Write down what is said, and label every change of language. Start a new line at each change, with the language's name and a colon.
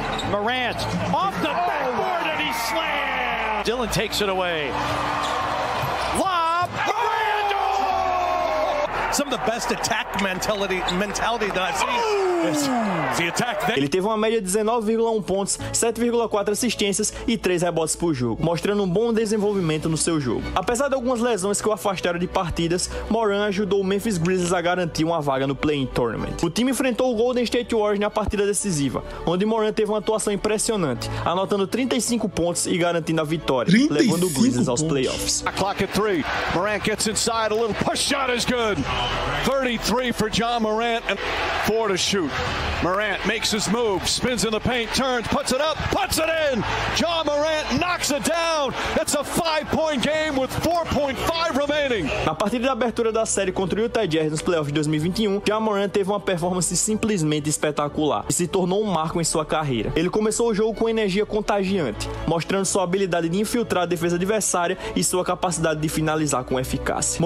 English: Morant off the backboard and he slams. Dylan takes it away. Some of the best attack mentality that I've seen. Yes. The attack.
Portuguese: Ele teve uma média de 19,1 pontos, 7,4 assistências e 3 rebotes por jogo, mostrando um bom desenvolvimento no seu jogo. Apesar de algumas lesões que o afastaram de partidas, Morant ajudou o Memphis Grizzlies a garantir uma vaga no play-in tournament. O time enfrentou o Golden State Warriors na partida decisiva, onde Morant teve uma atuação impressionante, anotando 35 pontos e garantindo a vitória, levando o Grizzlies aos playoffs.
English: A clock at 3. Morant gets inside, a little push shot is good. 33 for Ja Morant and 4 to shoot. Morant makes his move, spins in the paint, turns, puts it up, puts it in. Ja Morant knocks it down. It's a 5-point game with 4.5 remaining.
Portuguese: Na partida de abertura da série contra o Utah Jazz nos playoffs de 2021, Ja Morant teve uma performance simplesmente espetacular e se tornou um marco em sua carreira. Ele começou o jogo com energia contagiante, mostrando sua habilidade de infiltrar a defesa adversária e sua capacidade de finalizar com eficácia.